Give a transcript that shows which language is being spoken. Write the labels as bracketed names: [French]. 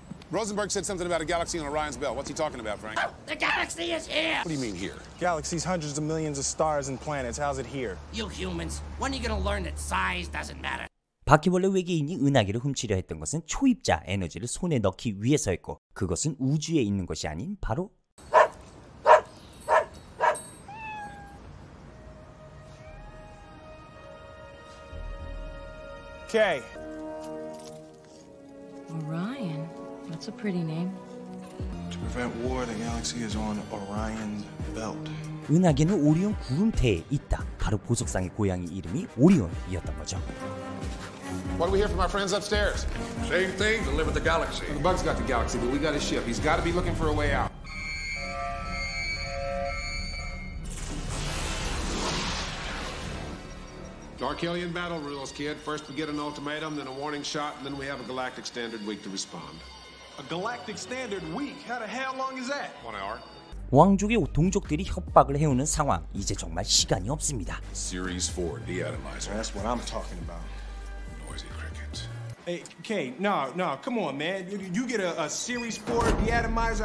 [English] Rosenberg said something about a galaxy on Orion's belt. What's he talking about, Frank? Oh, the galaxy is here! What do you mean, here? Galaxies, hundreds of millions of stars and planets. How's it here? You humans, when are you gonna learn that size doesn't matter? [Korean] 바퀴벌레 외계인이 은하계를 훔치려 했던 것은 초입자 에너지를 손에 넣기 위해서였고, 그것은 우주에 있는 것이 아닌 바로... 오케이. [English] Orion? That's a pretty name. To prevent war, the galaxy is on Orion's belt. [Korean] 은하계는 오리온 구름대에 있다. 바로 보석상의 고양이 이름이 오리온이었던 거죠. [English] What do we hear from our friends upstairs? Same thing. To live with the galaxy. The bug's got the galaxy, but we got his ship. He's got to be looking for a way out. Darkhelion battle rules, kid. First we get an ultimatum, then a warning shot, and then we have a galactic standard week to respond. A galactic standard week. How the hell long is that? One hour. [Korean] 왕족의 동족들이 협박을 해오는 상황. 이제 정말 시간이 없습니다. [English] Series 4 deatomizer. That's what I'm talking about. Noisy cricket. Hey, Kay. No. Come on, man. You get a series 4 deatomizer.